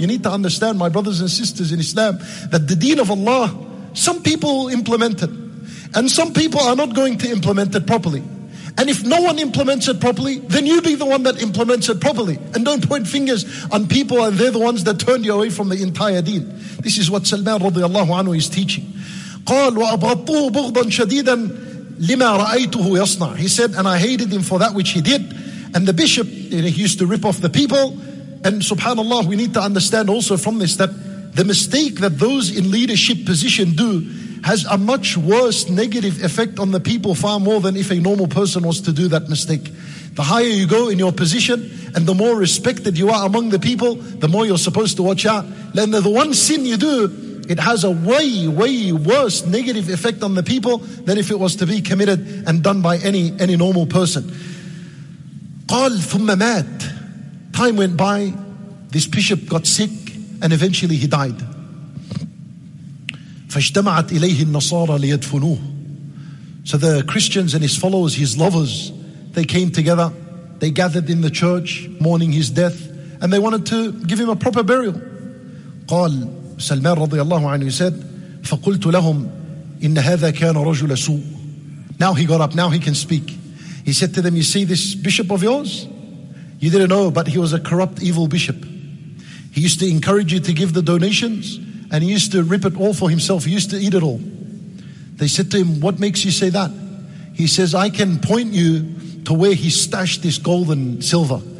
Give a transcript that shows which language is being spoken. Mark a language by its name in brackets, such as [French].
[English] You need to understand, my brothers and sisters in Islam, that the deen of Allah, some people implement it. And some people are not going to implement it properly. And if no one implements it properly, then you be the one that implements it properly. And don't point fingers on people and they're the ones that turned you away from the entire deen. This is what Salman radiallahu anhu is teaching. [Arabic] قال وأبغضته بغضا شديدا لما رأيته يصنع. [English] He said, and I hated him for that which he did. And the bishop, you know, he used to rip off the people. And subhanAllah, we need to understand also from this that the mistake that those in leadership position do has a much worse negative effect on the people far more than if a normal person was to do that mistake. The higher you go in your position and the more respected you are among the people, the more you're supposed to watch out. Then the one sin you do, it has a way, way worse negative effect on the people than if it was to be committed and done by any normal person. [Arabic] قال ثم مات. [English] Time went by, this bishop got sick, and eventually he died. [Arabic] فاجتمعت إليه النصارى ليدفنوه. [English] So the Christians and his followers, his lovers, they came together, they gathered in the church, mourning his death, and they wanted to give him a proper burial. [Arabic] قال سلمان رضي الله عنه, [English] he said, [Arabic] فقلت لهم إن هذا كان رجل سوء. [English] Now he got up, now he can speak. He said to them, you see this bishop of yours? You didn't know, but he was a corrupt, evil bishop. He used to encourage you to give the donations, and he used to rip it all for himself. He used to eat it all. They said to him, what makes you say that? He says, I can point you to where he stashed this gold and silver.